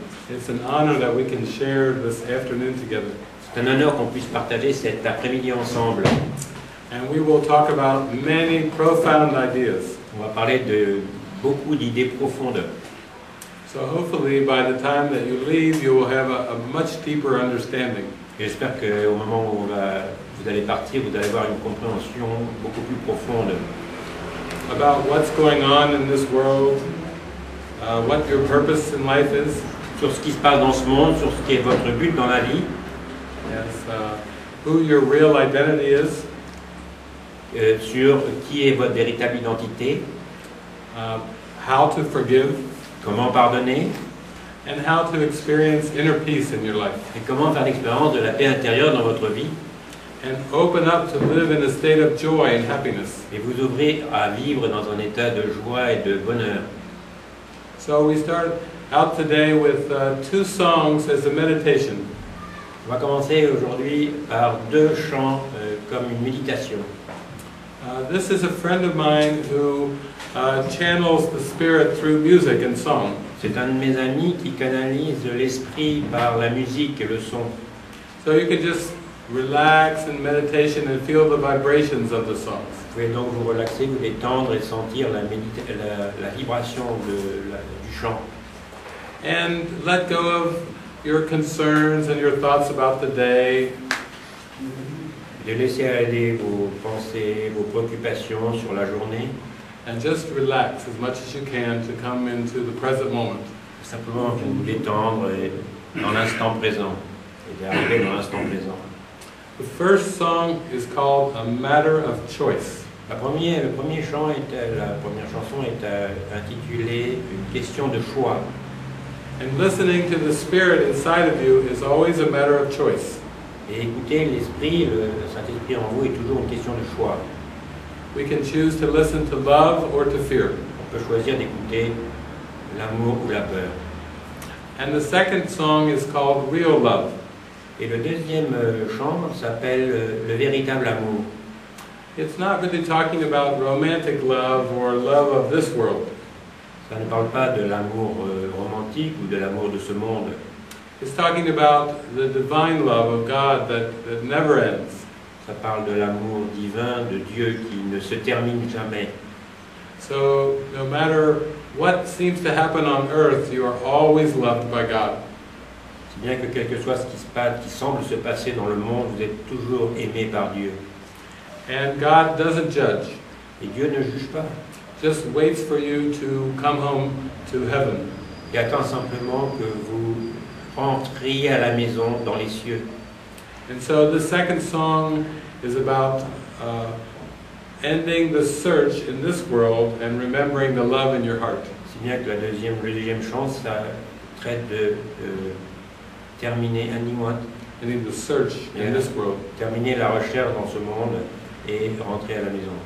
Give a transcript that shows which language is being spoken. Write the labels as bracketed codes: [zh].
[en] It's an honor that we can share this afternoon together. [fr] C'est un honneur qu'on puisse partager cet après-midi ensemble. [en] And we will talk about many profound ideas. [fr] On va parler de beaucoup d'idées profondes. [en] So hopefully by the time that you leave, you will have a much deeper understanding. [fr] J'espère qu'au moment où vous allez partir, vous allez avoir une compréhension beaucoup plus profonde. [en] About what's going on in this world, what your purpose in life is. [fr] Sur ce qui se passe dans ce monde, sur ce qui est votre but dans la vie. [en] Yes, who your real identity is. [fr] Sur qui est votre véritable identité. [en] How to forgive. [fr] Comment pardonner. [en] And how to experience inner peace in your life. [fr] Et comment faire l'expérience de la paix intérieure dans votre vie. [en] And open up to live in a state of joy and happiness. [fr] Et vous ouvrez à vivre dans un état de joie et de bonheur. [en] So we start out today with two songs as a meditation. [fr] On va commencer aujourd'hui par deux chants comme une méditation. [en] This is a friend of mine who channels the spirit through music and song. [fr] C'est un de mes amis qui canalise l'esprit par la musique et le son. [en] So you can just relax in meditation and feel the vibrations of the song. [fr] Vous pouvez donc vous relaxer, vous détendre et sentir la vibration du chant. [en] And let go of your concerns and your thoughts about the day. [fr] de laisser aller vos pensées, vos préoccupations sur la journée. [en] And just relax as much as you can to come into the present moment. [fr] Simplement vous détendre dans l'instant présent, et d'arriver dans l'instant présent. [en] The first song is called A Matter of Choice. [fr] La première chanson est intitulée Une question de choix. [en] And listening to the Spirit inside of you is always a matter of choice. [fr] Et écouter l'Esprit, le Saint-Esprit en vous est toujours une question de choix. [en] We can choose to listen to love or to fear. [fr] On peut choisir d'écouter l'amour ou la peur. [en] And the second song is called Real Love. [fr] Et le deuxième chant s'appelle Le véritable amour. [en] It's not really talking about romantic love or love of this world. [fr] Ça ne parle pas de l'amour romantique ou de l'amour de ce monde. [en] It's talking about the divine love of God that never ends. [fr] Ça parle de l'amour divin de Dieu qui ne se termine jamais. [en] So, no matter what seems to happen on earth, you are always loved by God. [fr] Si bien que quelque soit ce qui se passe, qui semble se passer dans le monde, vous êtes toujours aimé par Dieu. [en] And God doesn't judge. [fr] Et Dieu ne juge pas. [en] Just waits for you to come home to heaven. [fr] Il attend simplement que vous rentriez à la maison dans les cieux. [en] And so the second song is about ending the search in this world and remembering the love in your heart. [fr] Si bien que la deuxième chanson, ça traite de terminer [en] ending the search in this world. [fr] Terminer la recherche dans ce monde et rentrer à la maison.